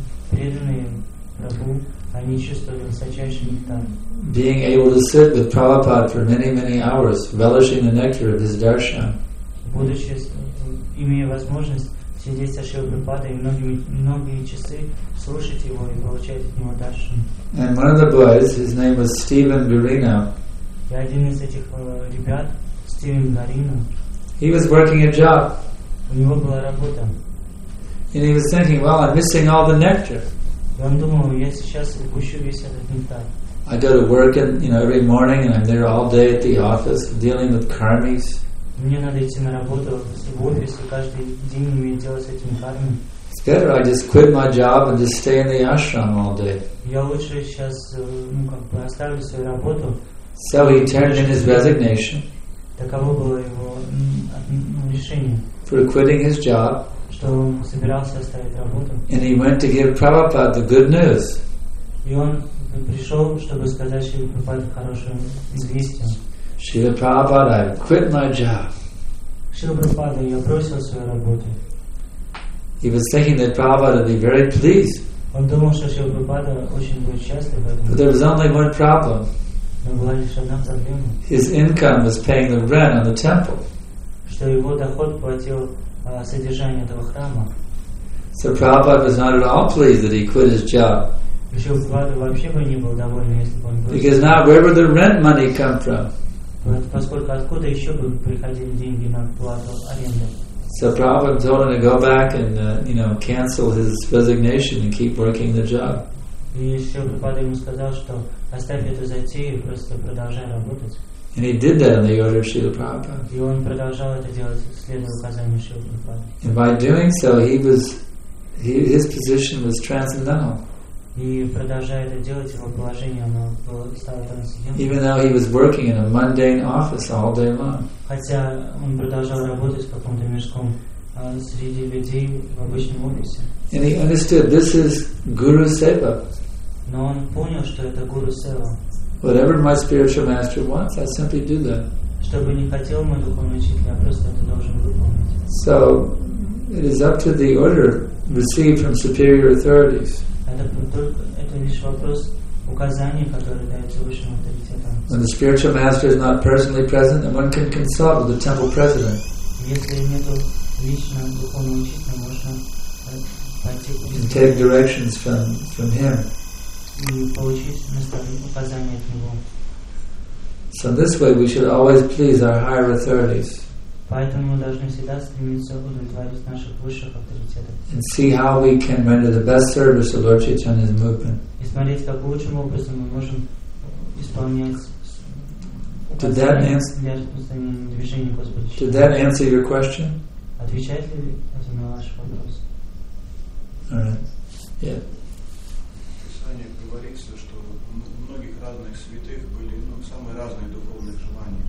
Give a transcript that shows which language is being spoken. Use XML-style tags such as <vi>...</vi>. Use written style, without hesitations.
<ru>Преданные Прабху, они чувствовали высочайший нектар.</ru> <en>Being able to sit with Prabhupada for many, many hours, relishing the nectar of his darshan.</en> <ru>Будучи, имея возможность сидеть со Шрилой Прабхупадой и многие часы слушать его и получать от него дальше.</ru> <en>And one of the boys, his name was Stephen Garino.</en> <ru>И один из этих ребят, Стивен Гарино.</ru> <en>He was working a job.</en> <ru>У него была работа.</ru> <en>And he was thinking, well, I'm missing all the nectar.</en> <ru>И он думал, я сейчас упущу весь этот нектар.</ru> <en>I go to work and, you know, every morning and I'm there all day at the office dealing with karmis.</en> <ru>Мне надо идти на работу в офис и каждый день иметь дело с этими кармами.</ru> <en>It's better I just quit my job and just stay in the ashram all day.</en> <ru>Я лучше сейчас, ну как бы, оставлю свою работу.</ru> <en>So he turned in his resignation.</en> <ru>Таково было его решение.</ru> <en>For quitting his job.</en> <ru>Что он собирался оставить работу.</ru> <en>And he went to give Prabhupada the good news.</en> <ru>И он пришел, чтобы сказать Шриле Прабхупаде хорошее известие.</ru> <en>Шриле Прабхупада, I quit my job.</en> <ru>Шриле Прабхупада, я бросил свою работу.</ru> <en>He was thinking that Prabhupada would be very pleased.</en> <ru>Он думал, что Шриле Прабхупада очень будет счастлив.</ru> <en>But there was only one problem. His income was paying the rent on the temple.</en> <ru>Что его доход платил содержание этого храма.</ru> <en>So Prabhupada was not at all pleased that he quit his job. Because now where would the rent money come from?</en> <ru>Поскольку откуда еще бы приходили деньги на плату аренды?</ru> <en>So Prabhupada told him to go back and cancel his resignation and keep working the job.</en> <ru>И еще Прабхупада ему сказал, что оставь эту затею и просто продолжай работать.</ru> <en>And he did that in the order of Srila Prabhupada.</en> <ru>И он продолжал это делать следуя указаниям Шрилы Прабхупады.</ru> <en>And by doing so, his position was transcendental.</en> <ru>И продолжая это делать, его положение оно стало трансцендентным.</ru> <en>Even though he was working in a mundane office all day long.</en> <ru>Хотя он продолжал работать в каком-то мешком среди людей в обычном офисе.</ru> <en>And he understood this is Guru Seva.</en> <ru>Но он понял, что это Guru Seva.</ru> <en>Whatever my spiritual master wants, I simply do that.</en> <ru>Что бы ни хотел мой духовный учитель, я просто это должен выполнить.</ru> <en>So it is up to the order received from superior authorities.</en> <ru>Это лишь вопрос указания, которое дается высшим авторитетом.</ru> <en>When the spiritual master is not personally present, then one can consult with the temple president.</en> <ru>Если нету личного духовного учителя, можно пойти к нему.</ru> <en>And take directions from him.</en> <ru>И получить наставление, указания от него.</ru> <en>So this way we should always please our higher authorities.</en> <ru>Поэтому мы должны всегда стремиться удовлетворить наших высших авторитетов.</ru> <en>And see how we can render the best service to Lord Chaitanya's movement.</en> <ru>И смотреть, каким лучшим образом мы можем исполнять для распространения движения Господа</ru> <en>Чайтаньи. Did that answer your question?</en> <ru>Отвечает ли это на ваш вопрос?</ru> <en>All right. Yeah.</en> <ru>В Писании говорится, что у многих разных святых были самые разные духовные желания.</ru>